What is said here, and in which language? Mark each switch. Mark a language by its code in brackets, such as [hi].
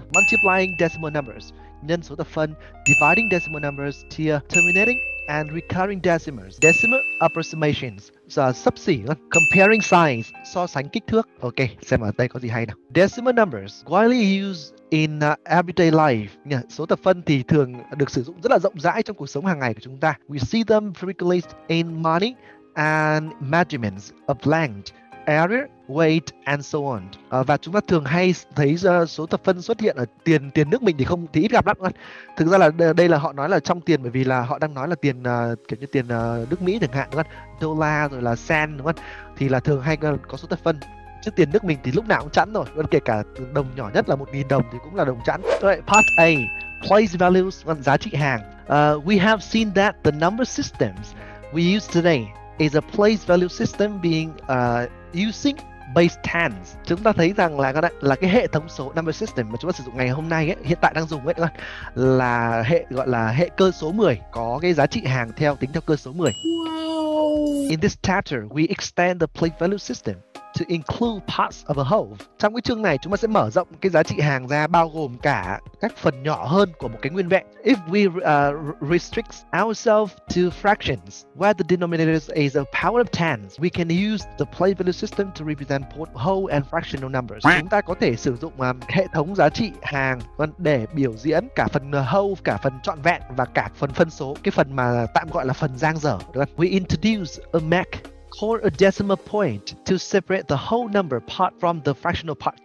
[en] Multiplying decimal numbers, [vi] nhân số thập phân, [en] dividing decimal numbers, chia, terminating and recurring decimals, decimal approximations, [vi] sắp xỉ, [en] comparing signs, [vi] so sánh kích thước. Ok, xem ở đây có gì hay nào. [en] Decimal numbers, widely used in everyday life. [vi] Số thập phân thì thường được sử dụng rất là rộng rãi trong cuộc sống hàng ngày của chúng ta. [en] We see them frequently in money and measurements of length, area, weight and so on. [vi] Và chúng ta thường hay thấy số thập phân xuất hiện ở tiền nước mình thì không thì ít gặp lắm. Thực ra là đây là họ nói là trong tiền bởi vì là họ đang nói là tiền kiểu như tiền nước Mỹ chẳng hạn, đúng không? Đô la rồi là sen đúng không? Thì là thường hay có số thập phân. Chứ tiền nước mình thì lúc nào cũng chẵn rồi. Kể cả đồng nhỏ nhất là 1.000 đồng thì cũng là đồng chẵn. [en] Right, part A, place values, [vi] giá trị hàng. [en] We have seen that the number systems we use today is a place value system being using base tens. [vi] Chúng ta thấy rằng là cái hệ thống số number system mà chúng ta sử dụng ngày hôm nay ấy, hiện tại đang dùng ấy, là hệ gọi là hệ cơ số 10, có cái giá trị hàng theo tính theo cơ số 10. Wow. [en] In this chapter, we extend the place value system to include parts of a whole. [vi] Trong cái chương này, chúng ta sẽ mở rộng cái giá trị hàng ra bao gồm cả các phần nhỏ hơn của một cái nguyên vẹn. [en] If we restrict ourselves to fractions, where the denominator is a power of tens, we can use the place value system to represent both whole and fractional numbers. [vi] Chúng ta có thể sử dụng hệ thống giá trị hàng để biểu diễn cả phần whole, cả phần trọn vẹn và cả phần phân số, cái phần mà tạm gọi là phần giang dở. [en] We introduce a MAC, call a decimal point to separate the whole number part from the fractional part.